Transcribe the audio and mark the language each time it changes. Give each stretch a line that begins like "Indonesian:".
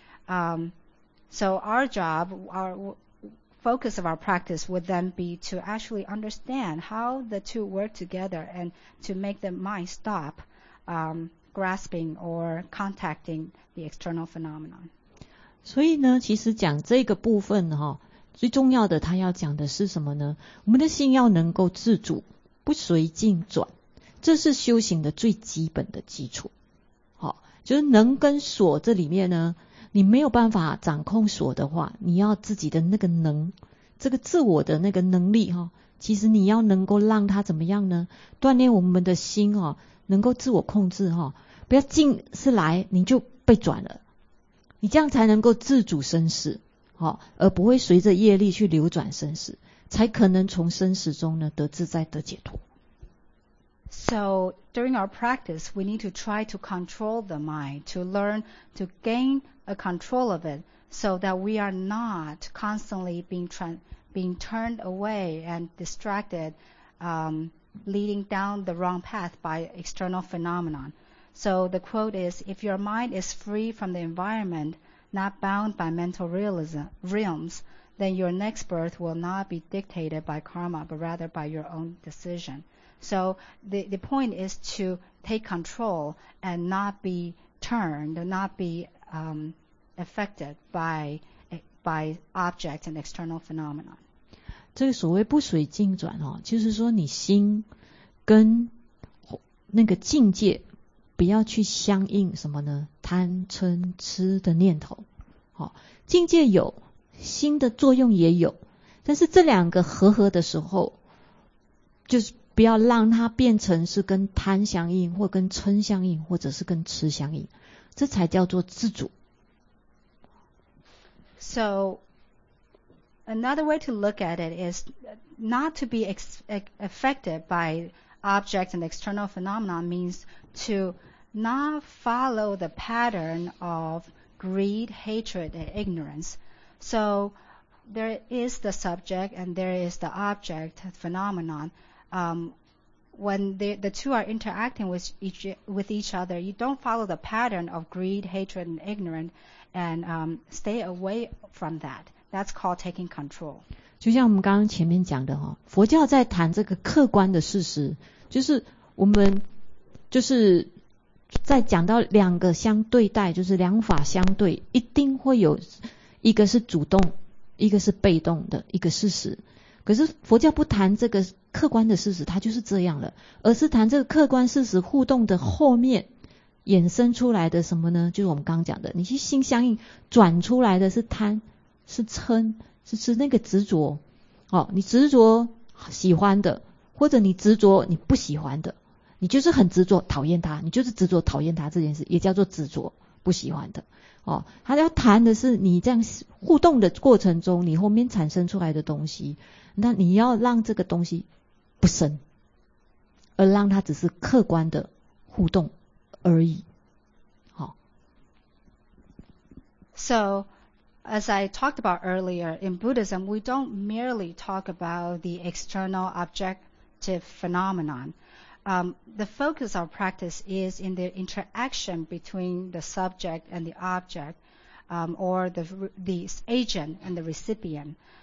English: So our job, our focus of our practice would then be to actually understand how the two work together and to make the mind stop grasping or contacting the external phenomenon.
Chinese: 所以呢，其实讲这个部分哈，最重要的他要讲的是什么呢？我们的心要能够自主，不随境转，这是修行的最基本的基础。好，就是能跟所这里面呢，你没有办法掌控所的话，你要自己的那个能，这个自我的那个能力哈，其实你要能够让它怎么样呢？锻炼我们的心哈，能够自我控制哈，不要境是来你就被转了，你这样才能够自主生死。好，而不会随着业力去流转生死，才可能从生死中呢得自在得解脱。
English: So during our practice, we need to try to control the mind, to learn to gain a control of it, so that we are not constantly being turned away and distracted, leading down the wrong path by external phenomenon. So the quote is, if your mind is free from the environment, not bound by mental realms, then your next birth will not be dictated by karma, but rather by your own decision. So the point is to take control and not be turned, not be affected by, by objects and external phenomena.
Chinese: 这个所谓不随境转、哦、就是说你心跟那个境界不要去相应什么呢？贪嗔痴的念头、哦、境界有，心的作用也有，但是这两个合合的时候，就是不要让它变成是跟贪相应，或跟嗔相应，或者是跟痴相应，这才叫做自主。
English: So another way to look at it is not to be affected by objects and external phenomena means to not follow the pattern of greed, hatred, and ignorance. So there is the subject and there is the object phenomenon. When the two are interacting with each other, you don't follow the pattern of greed, hatred, and ignorance and stay away from that. That's called taking control.
Chinese: 就像我们刚刚前面讲的、哦、佛教在谈这个客观的事实，就是我们就是在讲到两个相对待，就是两法相对，一定会有一个是主动，一个是被动的一个事实。可是佛教不谈这个客观的事实，它就是这样了，而是谈这个客观事实互动的后面衍生出来的什么呢？就是我们刚刚讲的，你去心相应转出来的是贪，是嗔，是那个执着、哦、你执着喜欢的，或者你执着你不喜欢的，你就是很执着讨厌他，你就是执着讨厌他，这件事也叫做执着不喜欢的、哦、他要谈的是你这样互动的过程中你后面产生出来的东西，那你要让这个东西不生，而让它只是客观的互动而已、哦、
English: So as I talked about earlier, in Buddhism, we don't merely talk about the external objective phenomenon. The focus of practice is in the interaction between the subject and the object, or the agent and the recipient.